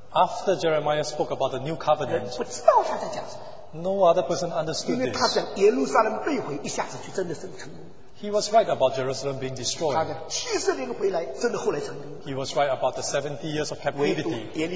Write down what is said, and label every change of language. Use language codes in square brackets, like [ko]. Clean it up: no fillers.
[en] after Jeremiah spoke about the new covenant, [zh] 人不知道他在讲什么, [en] no other person understood this. [zh] 因为他讲耶路撒冷被毁, 一下子就真的成功, [en] he was right about Jerusalem being destroyed. He was right about the 70 years of captivity.